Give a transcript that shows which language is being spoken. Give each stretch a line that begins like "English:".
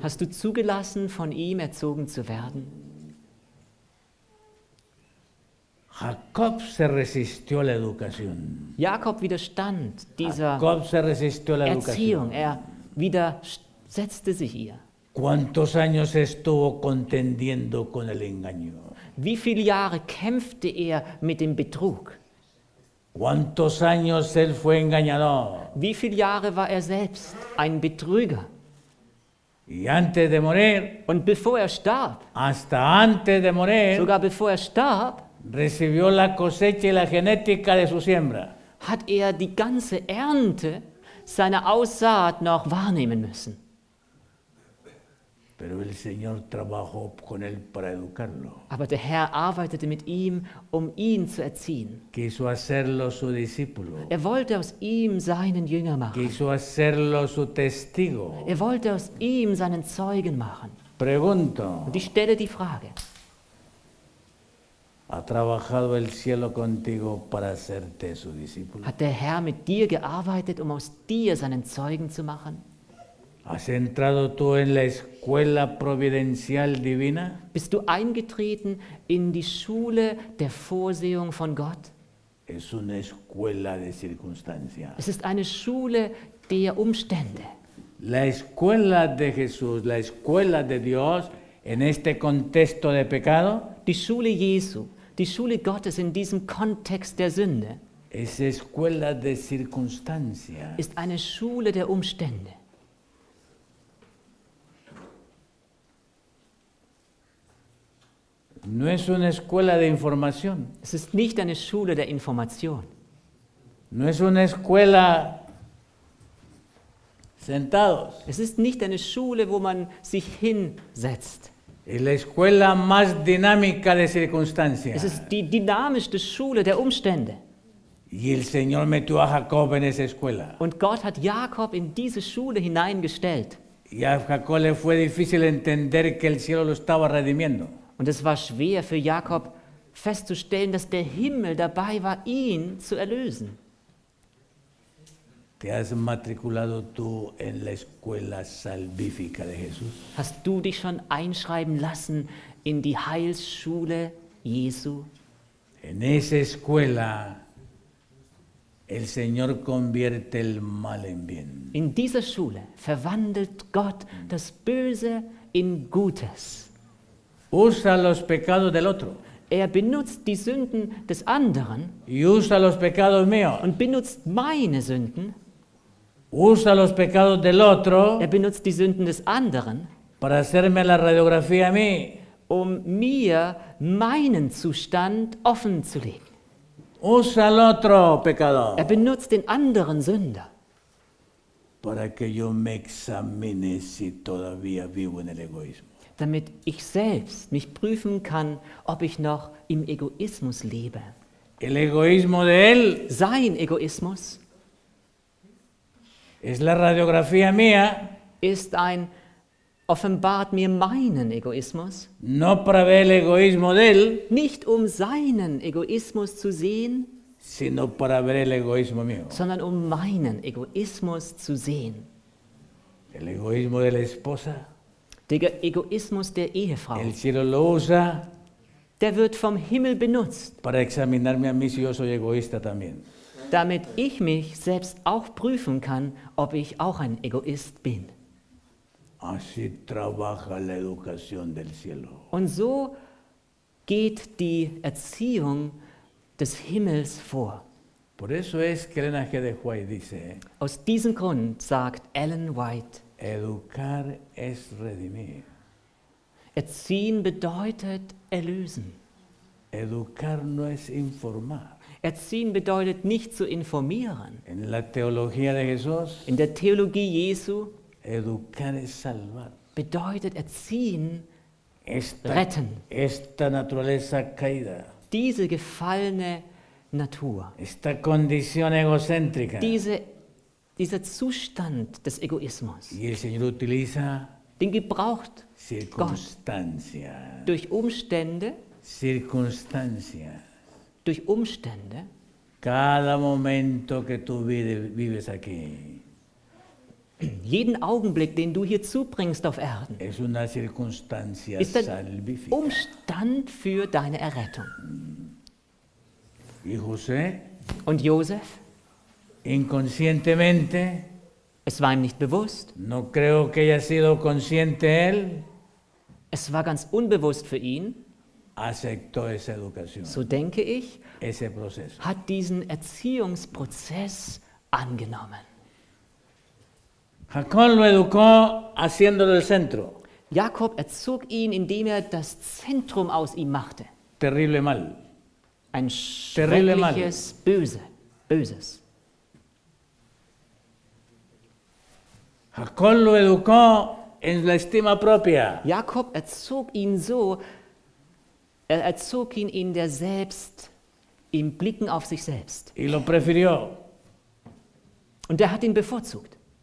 German: Hast du zugelassen, von ihm erzogen zu werden?
Spanish: Jacob se resistió a la educación.
German: Jakob widerstand dieser
Spanish: Jacob se resistió a la
German: Erziehung. Er widerstand. Setzte sich ihr.
Spanish: ¿Cuántos años estuvo contendiendo con el engaño?
German: Wie viele Jahre kämpfte er mit dem Betrug?
Spanish: ¿Cuántos años él fue engañador?
German: Wie viele Jahre war er selbst ein Betrüger?
Spanish: Y antes de morir,
German: und bevor er starb,
Spanish: hasta antes de morir,
German: sogar bevor er starb,
Spanish: recibió la cosecha y la genética de su siembra.
German: Hat er die ganze Ernte seiner Aussaat noch wahrnehmen müssen.
Spanish: Pero el Señor trabajó con él para educarlo.
German: Aber der Herr arbeitete mit ihm, um ihn zu erziehen.
Spanish: Quiso hacerlo su discípulo.
German: Er wollte aus ihm seinen Jünger machen.
Spanish: Quiso hacerlo su testigo.
German: Er wollte aus ihm seinen Zeugen machen.
Spanish: Pregunto.
German: Und ich stelle die Frage.
Spanish: ¿Ha trabajado el cielo contigo para hacerte su discípulo?
German: Hat der Herr mit dir gearbeitet, um aus dir seinen Zeugen zu machen?
Spanish: ¿Has entrado tú en la escuela providencial divina?
German: Bist du eingetreten in die Schule der Vorsehung von Gott?
Spanish: Es una escuela de circunstancias.
German: Es ist eine Schule der Umstände.
Spanish: La escuela de Jesús, la escuela de Dios, en este contexto de pecado.
German: Die Schule Jesu, die Schule Gottes in diesem Kontext der Sünde.
Spanish: Es escuela de circunstancias.
German: Ist eine Schule der Umstände.
Spanish: No es una escuela de información.
German: Es ist nicht eine Schule der Information.
Spanish: No es una escuela sentados.
German: Es ist nicht eine Schule, wo man sich hinsetzt.
Spanish: Es la escuela más dinámica de circunstancias.
German: Es ist die dynamischste Schule der Umstände.
Spanish: Y el Señor metió a Jacob en esa escuela.
German: Und Gott hat Jakob in diese Schule hineingestellt.
Spanish: Y a Jacob le fue difícil entender que el cielo lo estaba redimiendo.
German: Und es war schwer für Jakob festzustellen, dass der Himmel dabei war, ihn zu erlösen.
Spanish: ¿Te has matriculado tú en la escuela salvífica de Jesús?
German: Hast du dich schon einschreiben lassen in die Heilsschule Jesu?
Spanish: En esa escuela, el Señor convierte el mal en bien.
German: In dieser Schule verwandelt Gott das Böse in Gutes.
Spanish: Usa los pecados del otro.
German: Er benutzt die Sünden des anderen.
Spanish: Y usa los pecados míos.
German: Und benutzt meine Sünden.
Spanish: Usa los pecados del otro.
German: Er benutzt die Sünden des anderen.
Spanish: Para hacerme la radiografía a mí.
German: Um mir meinen Zustand offen zu legen.
Spanish: Usa el otro pecado.
German: Er benutzt den anderen Sünder.
Spanish: Para que yo me examine si todavía vivo en el egoísmo.
German: Damit ich selbst mich prüfen kann, ob ich noch im Egoismus lebe.
Spanish: El egoísmo de él.
German: Sein Egoismus.
Spanish: Es la radiografía mía.
German: Ist ein offenbart mir meinen Egoismus.
Spanish: No para ver el egoísmo de él,
German: nicht um seinen Egoismus zu sehen,
Spanish: sino para ver el egoísmo mío.
German: Sondern um meinen Egoismus zu sehen.
Spanish: El egoísmo de la esposa,
German: der Egoismus der Ehefrau,
Spanish: el cielo lo usa,
German: der wird vom Himmel benutzt,
Spanish: para examinarme a mí si yo soy egoísta también.
German: Damit ich mich selbst auch prüfen kann, ob ich auch ein Egoist bin.
Spanish: Así trabaja la educación del cielo.
German: Und so geht die Erziehung des Himmels vor.
Spanish: Por eso es que Elena G. de White dice,
German: aus diesem Grund sagt Ellen White,
Spanish: educar es redimir.
German: Erziehen bedeutet erlösen.
Spanish: Educar no es informar.
German: Erziehen bedeutet nicht zu informieren.
Spanish: En la teología de Jesús,
German: in der Theologie Jesu,
Spanish: educar es salvar.
German: Bedeutet Erziehen retten.
Spanish: Esta naturaleza caída.
German: Diese gefallene Natur.
Spanish: Esta condición egocéntrica.
German: Dieser Zustand des Egoismus.
Spanish: Y el Señor utiliza,
German: den gebraucht
Spanish: circunstancias.
German: Gott durch Umstände.
Spanish: Circunstancias.
German: Durch Umstände.
Spanish: Cada momento que tú vives aquí.
German: Jeden Augenblick, den du hier zubringst auf Erden,
Spanish: es una circunstancia
German: ist ein
Spanish: salvifica.
German: Umstand für deine Errettung.
Spanish: Y José,
German: und Josef,
Spanish: inconscientemente,
German: es war ihm nicht bewusst,
Spanish: no creo que haya sido consciente él,
German: es war ganz unbewusst für ihn,
Spanish: aceptó esa educación,
German: so denke ich,
Spanish: ese proceso.
German: Hat diesen Erziehungsprozess angenommen.
Spanish: Jacob lo educó haciéndolo el centro.
German: Jakob erzog ihn, indem er das Zentrum aus ihm machte.
Spanish: Terrible mal.
German: Ein schreckliches Böses.
Spanish: Jacob lo educó en la estima propia.
German: Jakob erzog ihn so, er erzog ihn in der Selbst, im Blicken auf sich selbst.
Spanish: Y lo prefirió.
German: Und er hat ihn bevorzugt.